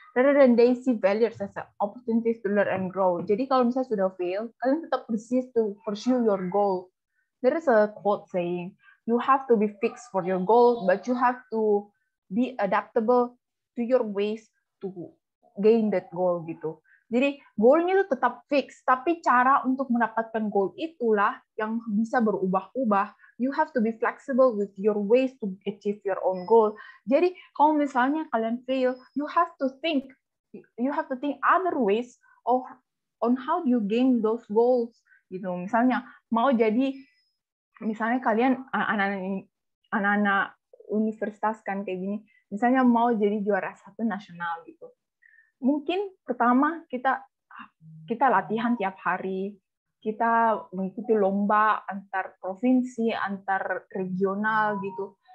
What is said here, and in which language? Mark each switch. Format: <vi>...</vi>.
<en>Rather than they see failures as an opportunity to learn and grow.</en> <id>Jadi kalau misalnya sudah fail, kalian tetap</id> <en>persist to pursue your goal. There is a quote saying, you have to be fixed for your goal, but you have to be adaptable to your ways to gain that goal gitu.</en> <id>Jadi goalnya itu tetap fix, tapi cara untuk mendapatkan goal itulah yang bisa berubah-ubah.</id> <en>You have to be flexible with your ways to achieve your own goal.</en> <id>Jadi kalau misalnya kalian</id> <en>fail, you have to think other ways of on how you gain those goals gitu.</en> <id>Misalnya mau jadi, misalnya kalian anak-anak universitas kan kayak gini, misalnya mau jadi juara satu nasional gitu. Mungkin pertama kita latihan tiap hari, kita mengikuti lomba antar provinsi, antar regional gitu.</id>